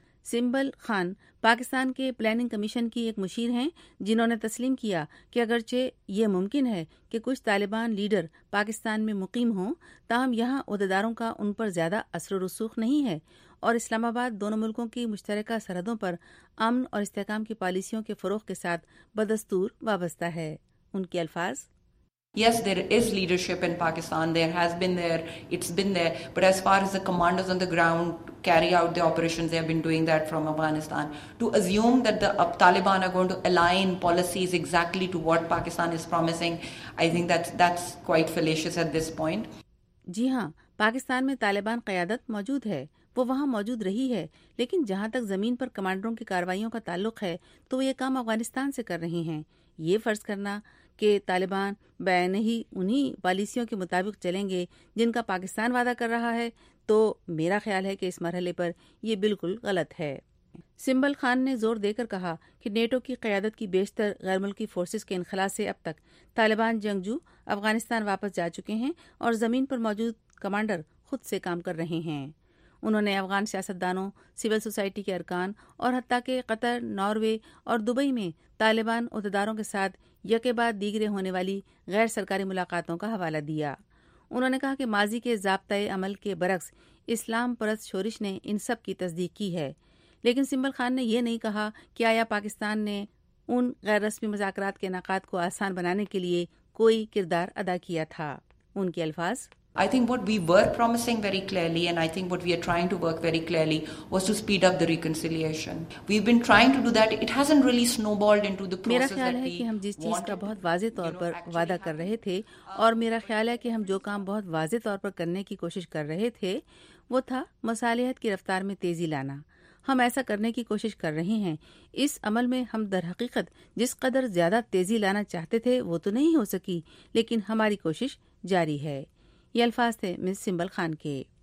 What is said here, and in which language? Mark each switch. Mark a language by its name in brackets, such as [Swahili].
[Urdu] Symbol Khan Pakistan کے planning commission کی ایک مشیر ہیں جنہوں نے تسلیم کیا کہ اگرچہ یہ ممکن ہے کہ کچھ طالبان لیڈر پاکستان میں مقیم ہوں، تاہم یہاں عہدیداروں کا ان پر زیادہ اثر و رسوخ نہیں ہے اور اسلام آباد دونوں ملکوں کی مشترکہ سرحدوں پر امن اور استحکام کی پالیسیوں کے فروغ کے ساتھ بدستور وابستہ ہے۔ ان کے الفاظ، [English] Yes, there is leadership in Pakistan. There has been there. It's been there. But as far as the commanders on the ground carry out the operations, they have been doing that from Afghanistan. To assume that the Taliban are going to align policies exactly to what Pakistan is promising, I think that's quite fallacious at this point. [Urdu] جی ہاں، پاکستان میں طالبان قیادت موجود ہے، وہ وہاں موجود رہی ہے، لیکن جہاں تک زمین پر کمانڈروں کی کاروائیوں کا تعلق ہے تو وہ یہ کام افغانستان سے کر رہی ہیں۔ یہ فرض کرنا کہ طالبان بین ہی انہیں پالیسیوں کے مطابق چلیں گے جن کا پاکستان وعدہ کر رہا ہے تو میرا خیال ہے کہ اس مرحلے پر یہ بالکل غلط ہے۔ سمبل خان نے زور دے کر کہا کہ نیٹو کی قیادت کی بیشتر غیر ملکی فورسز کے انخلا سے اب تک طالبان جنگجو افغانستان واپس جا چکے ہیں اور زمین پر موجود کمانڈر خود سے کام کر رہے ہیں۔ انہوں نے افغان سیاستدانوں، سول سوسائٹی کے ارکان اور حتیٰ کہ قطر، ناروے اور دبئی میں طالبان عہدیداروں کے ساتھ یکے بعد دیگرے ہونے والی غیر سرکاری ملاقاتوں کا حوالہ دیا۔ انہوں نے کہا کہ ماضی کے ضابطۂ عمل کے برعکس اسلام پرست شورش نے ان سب کی تصدیق کی ہے، لیکن سمبل خان نے یہ نہیں کہا کہ آیا پاکستان نے ان غیر رسمی مذاکرات کے انعقاد کو آسان بنانے کے لیے کوئی کردار ادا کیا تھا۔ ان کے الفاظ، [English] I think what we were promising very clearly and I think what we are trying to work very clearly was to speed up the reconciliation. We've been trying to do that. It hasn't really snowballed into the process that we wanted. [Urdu] میرا خیال ہے کہ ہم جس چیز کا بہت واضح طور پر وعدہ کر رہے تھے اور میرا خیال ہے کہ ہم جو کام بہت واضح طور پر کرنے کی کوشش کر رہے تھے وہ تھا مصالحت کی رفتار میں تیزی لانا۔ ہم ایسا کرنے کی کوشش کر رہے ہیں۔ اس عمل میں ہم در حقیقت جس قدر زیادہ تیزی لانا چاہتے تھے وہ تو نہیں ہو سکی، لیکن ہماری کوشش جاری ہے۔ یہ الفاظ تھے مس سمبل خان کے۔